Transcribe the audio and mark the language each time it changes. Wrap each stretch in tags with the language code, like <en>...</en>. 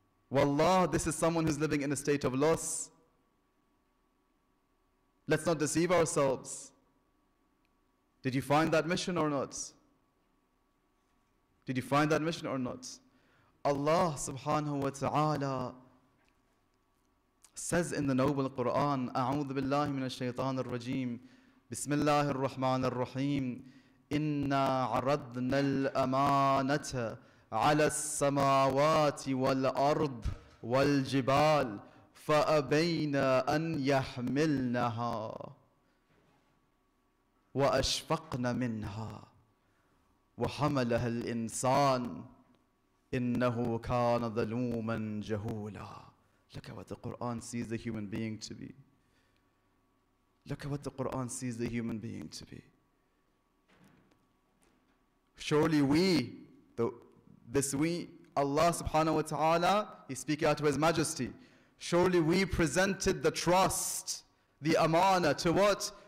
<en>Wallah, this is someone who's living in a state of loss. Let's not deceive ourselves. Did you find that mission or not? Did you find that mission or not? Allah subhanahu wa ta'ala says in the noble Quran,</en> <ar>أعوذ بالله من الشيطان الرجيم بسم الله الرحمن الرحيم إنا عرضنا الأمانة على السماوات والأرض والجبال فأبين أن يحملنها وأشفقن منها وحملها الإنسان إنه كان ظلوما جهولا.</ar> <en>Look at what the Quran sees the human being to be. Look at what the Quran sees the human being to be. Surely we, Allah subhanahu wa ta'ala, he speaking out to his majesty, surely we presented the trust, the amana, to what?</en>